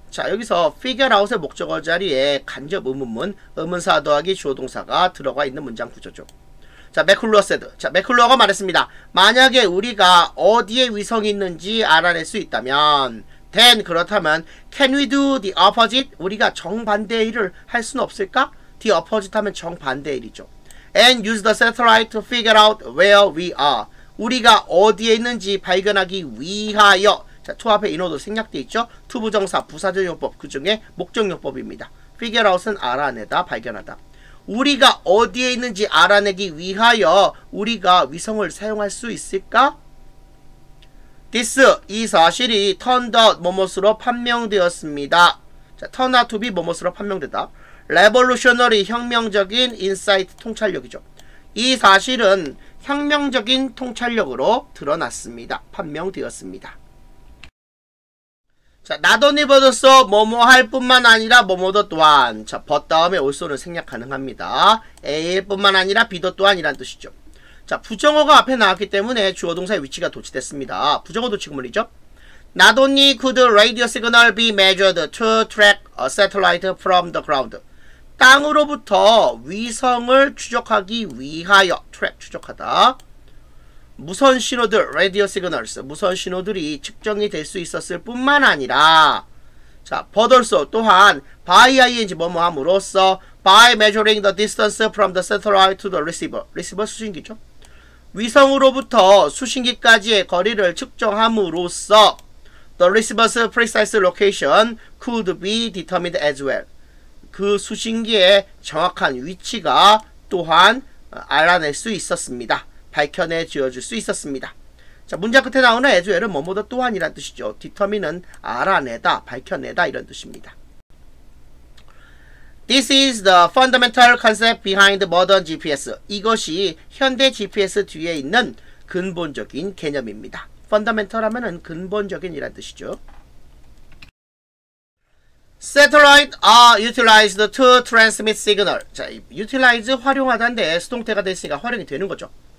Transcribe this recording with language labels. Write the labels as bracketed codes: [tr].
[ko] 자, 여기서 figure out의 목적어 자리에 간접 의문문, 의문사 더하기 주어동사가 들어가 있는 문장 구조죠. 자, 맥클루어 said. 자, 맥클루어가 말했습니다. 만약에 우리가 어디에 위성이 있는지 알아낼 수 있다면, then 그렇다면 [en] can we do the opposite? [ko] 우리가 정반대 일을 할 수는 없을까? The opposite 하면 정반대 일이죠. [en] And use the satellite to figure out where we are. [ko] 우리가 어디에 있는지 발견하기 위하여. 자, to 앞에 인호도 생략돼 있죠. to 부정사 부사적용법 그 중에 목적용법입니다. figure out은 알아내다, 발견하다. 우리가 어디에 있는지 알아내기 위하여 우리가 위성을 사용할 수 있을까? This, 이 사실이 [en] turned out [ko] 뭐뭐으로 판명되었습니다. 자, turn out to be 뭐뭐으로 판명되다. Revolutionary, 혁명적인 insight, 통찰력이죠. 이 사실은 혁명적인 통찰력으로 드러났습니다. 판명되었습니다. 자, not only but also 뭐뭐 할 뿐만 아니라 뭐뭐도 또한. 자, but 다음에 also는 생략 가능합니다. A일 뿐만 아니라 B도 또한이란 뜻이죠. 자, 부정어가 앞에 나왔기 때문에 주어동사의 위치가 도치됐습니다. 부정어 도치구문이죠. [en] Not only could radio signal be measured to track a satellite from the ground. [ko] 땅으로부터 위성을 추적하기 위하여. track, 추적하다. 무선 신호들, radio signals, 무선 신호들이 측정이 될 수 있었을 뿐만 아니라, 자, but also 또한 by ing 뭐뭐함으로써 [en] by measuring the distance from the satellite to the receiver. [ko] receiver 수신기죠. 위성으로부터 수신기까지의 거리를 측정함으로써 [en] the receiver's precise location could be determined as well. [ko] 그 수신기의 정확한 위치가 또한 알아낼 수 있었습니다. 밝혀내 지어줄 수 있었습니다. 자, 문장 끝에 나오는 as well은 뭐뭐도 또한이란 뜻이죠. determine은 알아내다, 밝혀내다 이런 뜻입니다. [en] This is the fundamental concept behind modern GPS. [ko] 이것이 현대 GPS 뒤에 있는 근본적인 개념입니다. fundamental 하면은 근본적인 이란 뜻이죠. [en] Satellite are utilized to transmit signal. [ko] 자, utilize 활용하다인데 수동태가 됐으니까 활용이 되는 거죠.